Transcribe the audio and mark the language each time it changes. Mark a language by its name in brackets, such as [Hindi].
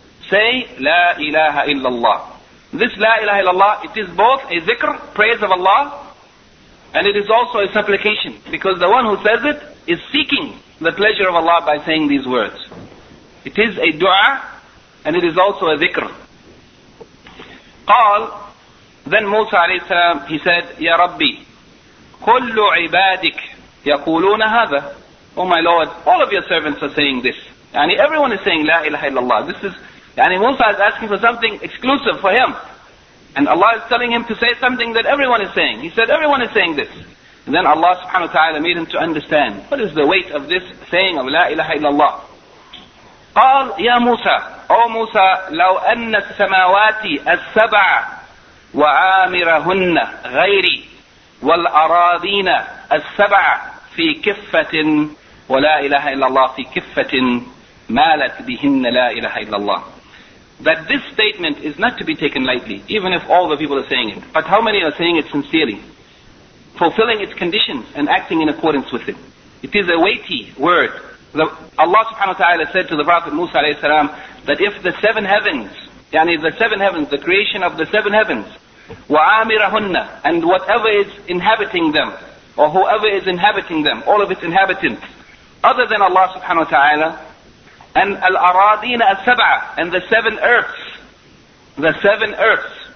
[English] Say, La ilaha illallah. This La ilaha illallah, it is both a zikr, praise of Allah, and it is also a supplication, because the one who says it is seeking the pleasure of Allah by saying these words. It is a dua, and it is also a zikr. [Arabic] قال, [English] then Musa [Arabic] عليه السلام, [English] he said, [Arabic] يا ربي, كل عبادك يقولون هذا. [English] Oh my Lord, all of your servants are saying this. Yani everyone is saying, [Arabic] لا إله إلا الله. [English] This is, yani Musa is asking for something exclusive for him. And Allah is telling him to say something that everyone is saying. He said, everyone is saying this. And then Allah subhanahu wa ta'ala made him to understand, what is the weight of this saying of لا إله إلا الله. [Arabic] قال يا موسى أو موسى لو أن السماوات السبع وعامرهن غيري والأراضين السبع في كفة ولا إله إلا الله في كفة مالت بهن لا إله إلا الله. [English] But this statement is not to be taken lightly, even if all the people are saying it. But how many are saying it sincerely, fulfilling its conditions and acting in accordance with it? It is a weighty word. Allah subhanahu wa ta'ala said to the Prophet Musa alayhi salam that if the seven heavens, yani the seven heavens, the creation of the seven heavens, وَعَامِرَهُنَّ, and whatever is inhabiting them, or whoever is inhabiting them, all of its inhabitants, other than Allah subhanahu wa ta'ala, and [Arabic] الْأَرَاضِينَ السَّبْعَ, [English] and the seven earths,